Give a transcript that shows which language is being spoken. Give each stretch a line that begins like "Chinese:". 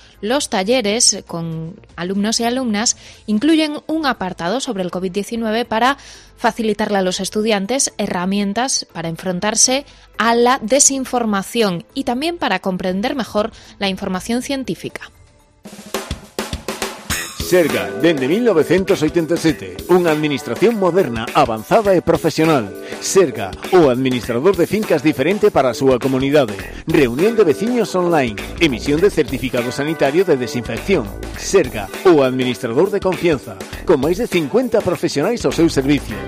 Spanish: Los talleres con alumnos y alumnas incluyen un apartado sobre el COVID-19 para facilitarle a los estudiantes herramientas para enfrentarse a la desinformación y también para comprender mejor la información científica.
Galician: Serga, dende 1987, unha administración moderna, avanzada e profesional. Serga, o administrador de fincas diferente para a súa comunidade. Reunión de veciños online, emisión de certificado sanitario de desinfección. Serga, o administrador de confianza, con máis de 50 profesionais ao seu servicio.